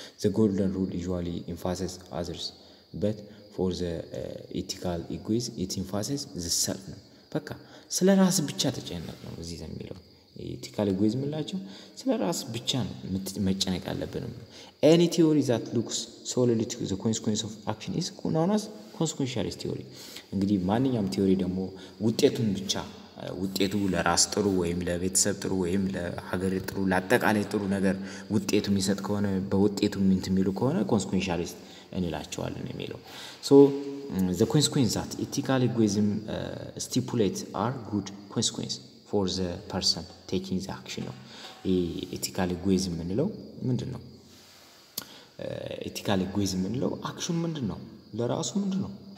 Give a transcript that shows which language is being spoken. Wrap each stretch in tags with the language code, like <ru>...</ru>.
<en>The golden rule usually emphasizes others, but for the ethical egoism, it emphasizes the self.</en> <am>በቃ ስለ ራስ ብቻ ተጨነቅ ነው እዚህ የሚለው። ethical egoism ላይ ስለ ራስ ብቻ ነው መጨነቅ ያለብን።</am> <en>any theory that looks solely to the consequences of action is known as consequentialist theory.</en> <am>እንግዲህ ማንኛውም ቲዮሪ ደግሞ ውጤቱን ብቻ ውጤቱ ለራስ ጥሩ ወይም ለቤተሰብ ጥሩ ወይም ለሀገር ጥሩ ለአጠቃላይ ጥሩ ነገር ውጤቱ የሚሰጥ ከሆነ በውጤቱ ምን ትሚሉ ከሆነ consequentialist እንላቸዋለን የሚለው።</am> <en>So the consequences that ethical egoism stipulates are good consequences for the person taking the action.</en> <am>ethical egoism ምንለው ምንድነው? ethical egoism ምንለው action ምንድነው? ለራሱ ምንድነው?</am>